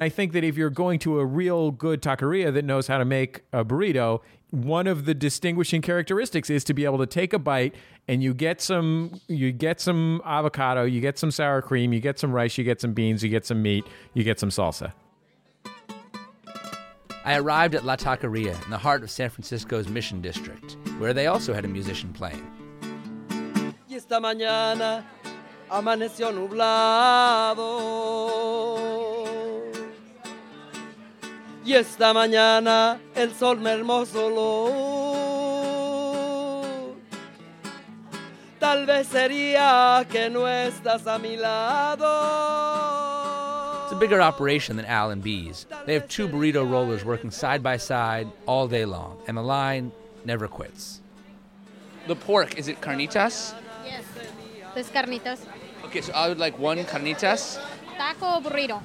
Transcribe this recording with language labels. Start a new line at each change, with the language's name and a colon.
English: I think that if you're going to a real good taqueria that knows how to make a burrito, one of the distinguishing characteristics is to be able to take a bite and you get some avocado, you get some sour cream, you get some rice, you get some beans, you get some meat, you get some salsa. I arrived at La Taqueria in the heart of San Francisco's Mission District, where they also had a musician playing.
Spanish: Y esta mañana amaneció nublado. Y esta mañana el sol mermó su luz. Tal vez sería que no estás a mi lado.
English: It's a bigger operation than Al and B's. They have two burrito rollers working side by side all day long, and the line never quits. The pork, is it carnitas? Yes, this carnitas. Okay, so I would like one carnitas. Taco or burrito?